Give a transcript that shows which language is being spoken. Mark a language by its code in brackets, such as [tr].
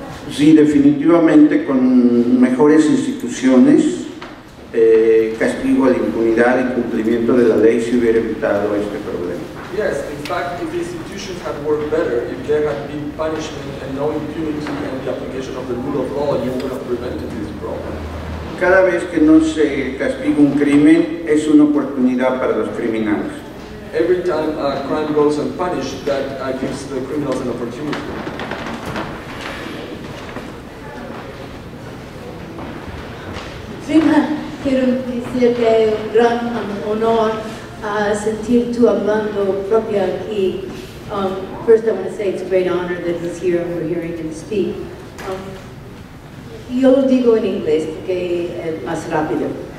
[es] Sí, definitivamente con mejores instituciones, castigo a la impunidad y cumplimiento de la ley se hubiera evitado este problema. [en] Yes, in fact, if the institutions had worked better, if there had been punishment and no impunity and the application of the rule of law, you would have prevented this problem. [es] Cada vez que no se castiga un crimen, es una oportunidad para los criminales. [en] Every time a crime goes unpunished, that gives the criminals an opportunity. [es] Prima, quiero decir que es un gran honor sentir tu hablando propio aquí. [en] First, I want to say it's a great honor that he's here and we're hearing him speak. [es] Yo lo digo en inglés porque es más rápido.